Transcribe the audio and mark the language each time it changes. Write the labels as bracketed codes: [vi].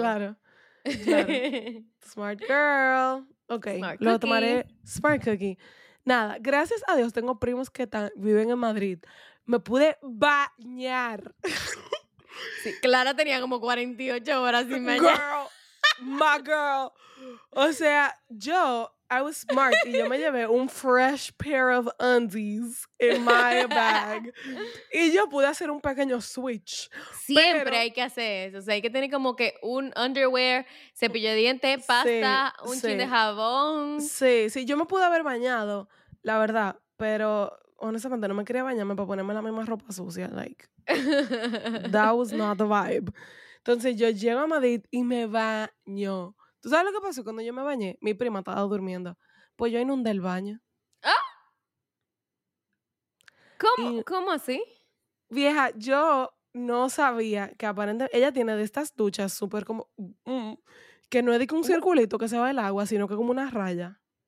[es] Claro. [en] Smart girl. Okay. Smart [es] lo tomaré. [en] Smart cookie. [es] Nada, gracias a Dios tengo primos que viven en Madrid. Me pude bañar. Sí, Clara tenía como 48 horas sin bañar. [en] Girl, my girl. [es] O sea, yo, [en] I was smart [es] y yo me llevé un [en] fresh pair of undies in my bag. [es] Y yo pude hacer un pequeño switch. Siempre pero, hay que hacer eso. O sea, hay que tener como que un underwear, cepillo de dientes, pasta, sí, un sí. chin de jabón. Sí, sí, yo me pude haber bañado, la verdad, pero honestamente, no me quería bañarme para ponerme la misma ropa sucia. [en] Like, that was not the vibe. [es] Entonces, yo llego a Madrid y me baño. ¿Tú sabes lo que pasó? Cuando yo me bañé, mi prima estaba durmiendo. Pues yo inundé el baño. ¿Ah? ¿Cómo así? Vieja, yo no sabía que aparentemente ella tiene de estas duchas súper como que no es de un circulito que se va el agua, sino que como una raya.